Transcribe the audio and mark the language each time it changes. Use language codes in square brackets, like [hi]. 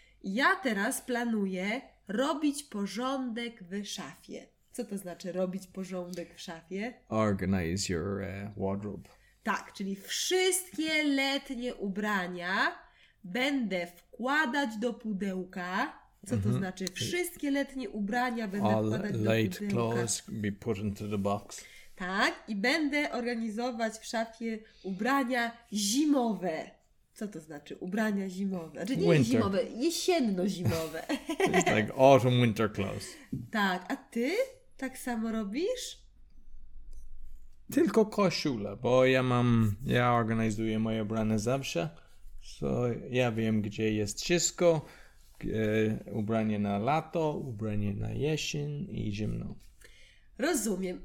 [pl] Ja teraz planuję robić porządek w szafie. Co to znaczy robić porządek w szafie? [en] Organize your wardrobe. [pl] Tak, czyli wszystkie letnie ubrania będę wkładać do pudełka. Co to znaczy? Wszystkie letnie ubrania będę [en] All [pl] wkładać do pudełka. [en] All late clothes be put into the box. [pl] Tak, i będę organizować w szafie ubrania zimowe. Co to znaczy? Ubrania zimowe. Znaczy nie winter. Zimowe, jesienno-zimowe. [en] It's like autumn winter clothes. [pl] Tak, a ty tak samo robisz? Tylko koszulę, bo ja organizuję moje ubrania zawsze, so ja wiem, gdzie jest wszystko, ubranie na lato, ubranie na jesień i zimno. Rozumiem.